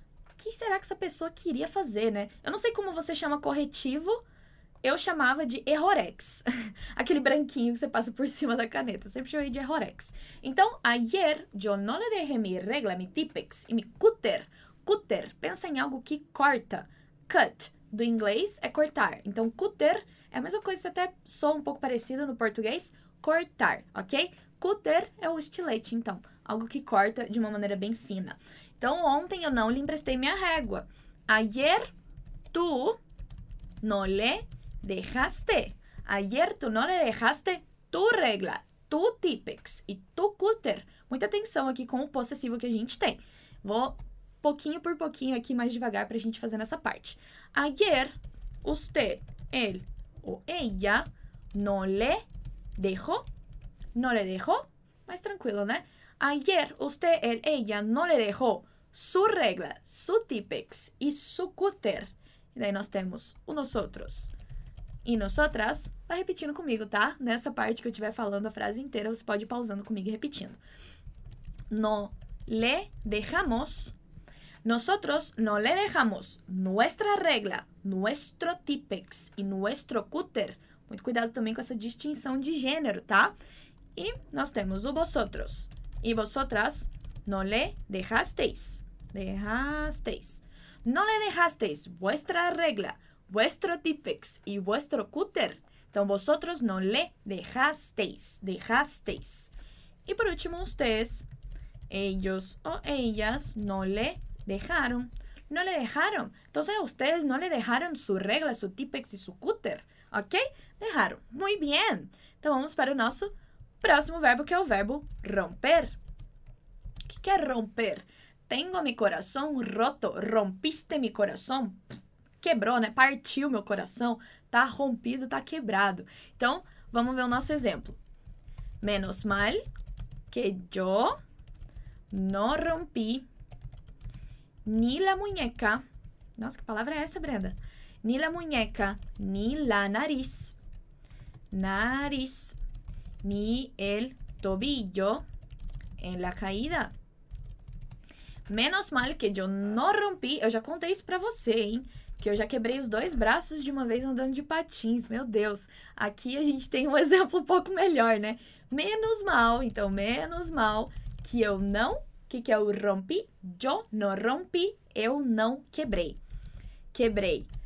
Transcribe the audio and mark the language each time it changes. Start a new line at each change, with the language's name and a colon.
Portuguese: O que será que essa pessoa queria fazer, né? Eu não sei como você chama corretivo. Eu chamava de errorex, aquele branquinho que você passa por cima da caneta. Eu sempre chamei de errorex.
Spanish: Então, ayer yo no le dejé mi regla, mi tipex y mi cúter.
Portuguese: Cúter, pensa em algo que corta. Cut, do inglês, é cortar. Então, cúter é a mesma coisa, até soa um pouco parecido no português, cortar, ok? Cúter é o estilete, então, algo que corta de uma maneira bem fina. Então, ontem eu não lhe emprestei minha régua.
Spanish: Ayer tú no le dejaste. Ayer tú no le dejaste tu regla, tu tipex y tu cúter.
Portuguese: Muita atenção aqui com o possessivo que a gente tem. Vou pouquinho por pouquinho aqui mais devagar para a gente fazer nessa parte.
Spanish: Ayer usted, él o ella no le dejó. No le dejó.
Portuguese: Mais tranquilo, né?
Spanish: Ayer usted, él, ella no le dejó su regla, su tipex y su cúter.
Portuguese: E daí nós temos o nosotros. E nosotras, vai repetindo comigo, tá? Nessa parte que eu estiver falando a frase inteira, você pode ir pausando comigo e repetindo.
Spanish: No le dejamos. Nosotros no le dejamos nuestra regla, nuestro tipex y nuestro cúter
Portuguese: Muito cuidado também com essa distinção de gênero, tá? E nós temos o vosotros. E vosotras,
Spanish: no le dejasteis. Dejasteis. No le dejasteis vuestra regla, vuestro típex y vuestro cúter. Então, vosotros no le dejasteis. Dejasteis. Y por último, ustedes, ellos o ellas, no le dejaron. No le dejaron. Entonces, ustedes no le dejaron su regla, su típex y su cúter. ¿Ok? Dejaron. Muy bien.
Portuguese: Então, vamos para o nosso próximo verbo, que é o verbo romper. O que é romper?
Spanish: Tengo mi corazón roto. Rompiste mi corazón.
Portuguese: Quebrou, né? Partiu meu coração. Tá rompido, tá quebrado. Então, vamos ver o nosso exemplo.
Spanish: Menos mal que yo no rompí ni la muñeca.
Portuguese: Nossa, que palavra é essa, Brenda?
Spanish: Ni la muñeca, ni la nariz. Nariz. Ni el tobillo en la caída. Menos mal que yo no rompí.
Portuguese: Eu já contei isso pra você, hein? Que eu já quebrei os dois braços de uma vez andando de patins. Meu Deus. Aqui a gente tem um exemplo um pouco melhor, né? Menos mal. Então, menos mal que eu não... que é o rompi?
Spanish: Yo no rompi.
Portuguese: Eu não quebrei. Quebrei.